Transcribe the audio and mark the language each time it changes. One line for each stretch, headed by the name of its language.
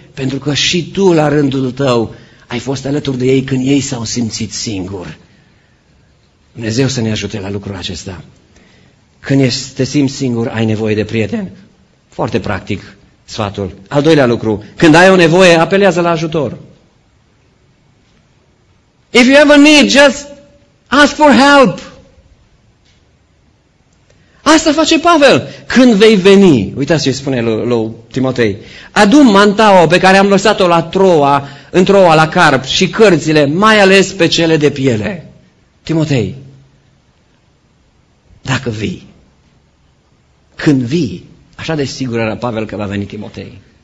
Romanian: Pentru că și tu, la rândul tău, ai fost alături de ei când ei s-au simțit singuri. Dumnezeu să ne ajute la lucrul acesta. Când te simți singur, ai nevoie de prieteni. Foarte practic sfatul. Al doilea lucru, când ai o nevoie, apelează la ajutor.
English: If you have a need, just ask for help.
Romanian: Asta face Pavel. Când vei veni, uitați ce spune lui Timotei, adu mantaua pe care am lăsat-o la Troa, în Troa la Carp, și cărțile, mai ales pe cele de piele. Timotei, dacă vii, când vii, așa de sigur era Pavel că va veni Timotei.